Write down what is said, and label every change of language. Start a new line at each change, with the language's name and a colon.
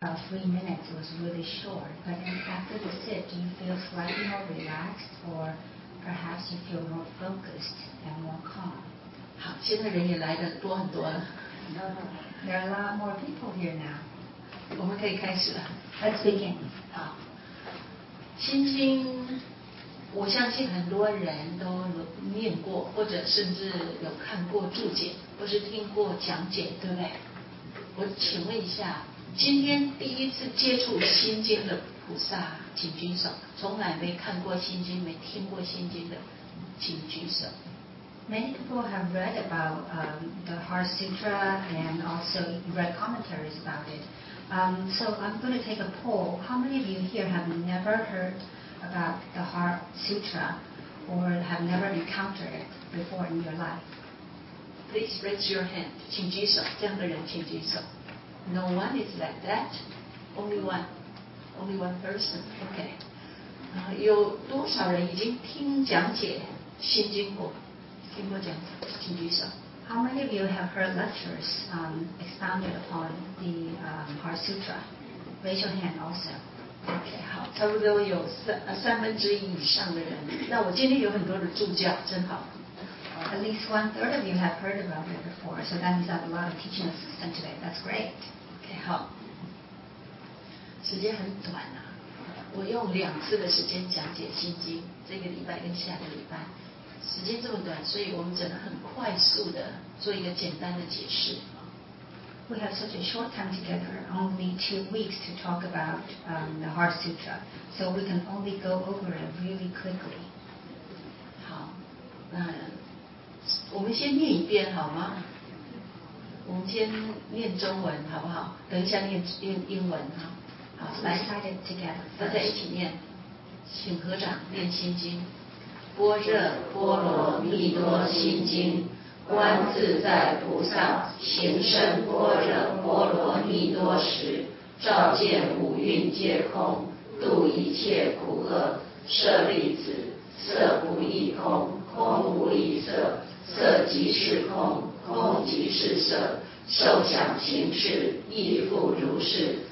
English: 3 minutes was really short, but after the sit, do you feel slightly more relaxed, or perhaps you feel more focused and more calm?
Chinese: 好，现在人也来的多很多了。
English: No, no, there are a lot more people here now.
Chinese: 我们可以开始了。
English: Let's begin.
Chinese: 好，心经，我相信很多人都念过，或者甚至有看过注解，或是听过讲解，对不对？我请问一下，今天第一次接触心经的菩萨，请举手。从来没看过心经、没听过心经的，请举手。
English: Many people have read about the Heart Sutra and also read commentaries about it. So I'm going to take a poll. How many of you here have never heard about the Heart Sutra or have never encountered it before in your life? Please raise your hand.
Chinese: 请举手，这样的人请举手。
English: No one is like that. Only one person. Okay.
Chinese: 有多少人已经听讲解心经过？听过讲解，请举手。
English: How many of you have heard lectures expounded upon the Heart Sutra? Raise your hand also.
Chinese: Okay, 好，差不多有三分之一以上的人。那我今天有很多的助教，真好。
English: At least one third of you have heard about it before, so that means that a lot of teaching assistant today. That's great.
Chinese: Okay, 好。时间很短啊，我用两次的时间讲解心经，这个礼拜跟下个礼拜。时间这么短，所以我们只能很快速的做一个简单的解释。
English: We have such a short time together, only 2 weeks to talk about the Heart Sutra, so we can only go over it really quickly.
Chinese: 好，那我们先念一遍好吗？我们先念中文好不好？等一下念英文哈。好，来
English: ，Say it together，
Chinese: 大家一起念，请合掌念心经。般若波罗蜜多心经，观自在菩萨行深般若波罗蜜多时，照见五蕴皆空，度一切苦厄，舍利子，色不异空，空无异色，色即是空，空即是色，受想行识亦复如是。